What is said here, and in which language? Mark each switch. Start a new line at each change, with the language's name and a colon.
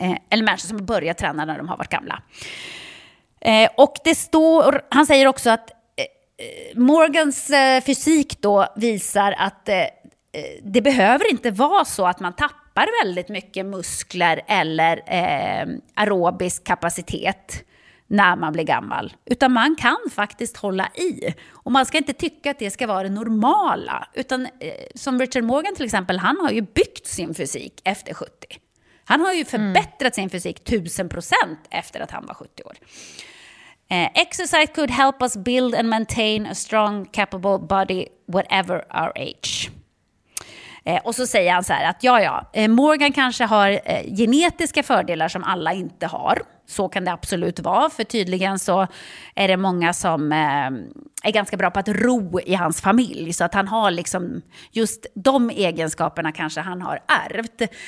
Swedish: Eller människor som har börjat träna när de har varit gamla. Och det står, han säger också att Morgans fysik då visar att det behöver inte vara så att man tappar väldigt mycket muskler eller aerobisk kapacitet när man blir gammal. Utan man kan faktiskt hålla i. Och man ska inte tycka att det ska vara det normala. Utan som Richard Morgan till exempel, han har ju byggt sin fysik efter 70. Han har ju förbättrat sin fysik 1000% efter att han var 70 år.
English: Exercise could help us build and maintain a strong, capable body whatever our age.
Swedish: Och så säger han så här att Morgan kanske har genetiska fördelar som alla inte har. Så kan det absolut vara, för tydligen så är det många som är ganska bra på att ro i hans familj. Så att han har liksom just de egenskaperna kanske han har ärvt.